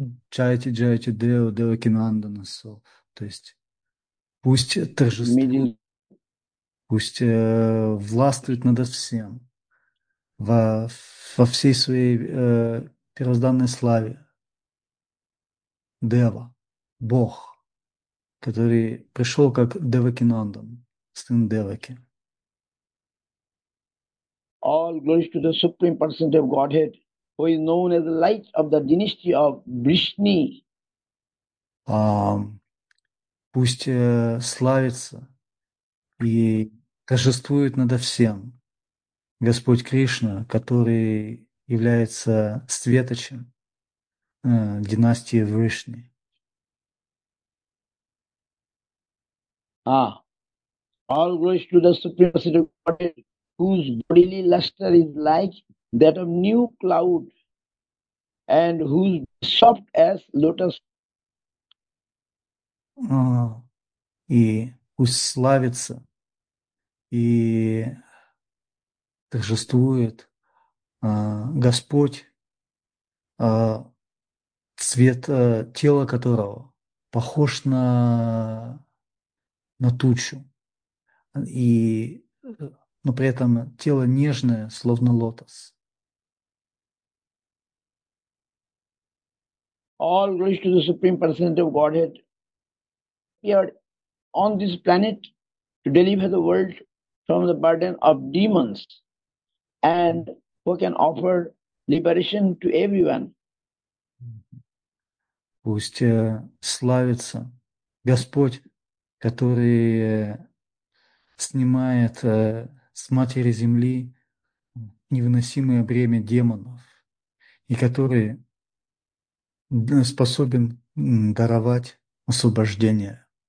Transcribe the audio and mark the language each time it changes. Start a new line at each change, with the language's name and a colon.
Sanskrit: Джайти Део Девакинандана.
Russian: То есть пусть торжествует, пусть властвует над всем. Во всей своей первозданной славе Дева, Бог, который пришел как Девакинандан, сын Деваки.
English: All glories to the Supreme Personality of Godhead, who is known as the light of the dynasty of Vrishni.
Russian: Пусть славится и торжествует над всем Господь Кришна, который является светочем династии Вришни.
English: Ah, all glories to the Supreme Personality of Godhead, whose bodily luster is like that of new cloud, and whose soft as lotus.
Russian: И пусть славится и торжествует Господь, цвет тела которого похож на тучу, и но при этом тело нежное, словно лотос.
English: All glories to the Supreme Personality of Godhead, appeared on this planet to deliver the world from the burden of demons and who can offer liberation to everyone.
Russian: Пусть славится Господь, который снимает с матери земли невыносимое бремя демонов и который способен даровать освобождение.